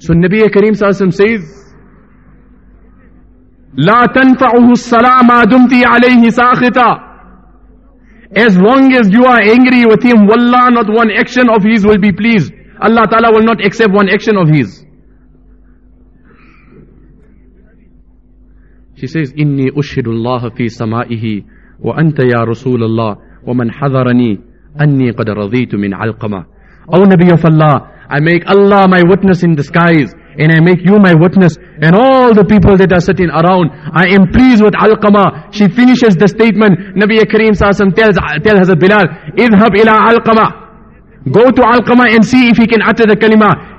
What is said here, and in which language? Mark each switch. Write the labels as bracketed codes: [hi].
[en] So Nabi Kareem sallallahu alayhi wa sallam says, [ar] لا تنفعه الصلاة ما دمت عليه ساخطا. [en] As long as you are angry with him, wallah, not one action of his will be pleased. Allah Ta'ala will not accept one action of his. She says, [ar] إني أشهد الله في سمائه وأنت يا رسول الله ومن حذرني أني قد رضيت من علقمة. [en] Oh Nabi of Allah, I make Allah my witness in disguise, and I make you my witness, and all the people that are sitting around, I am pleased with Alqama. She finishes the statement. Nabi Kareem sallallahu alaihi wasallam tells Hazrat Bilal, [ar] idhab ila Alqama, [en] go to Alqama and see if he can utter the kalima.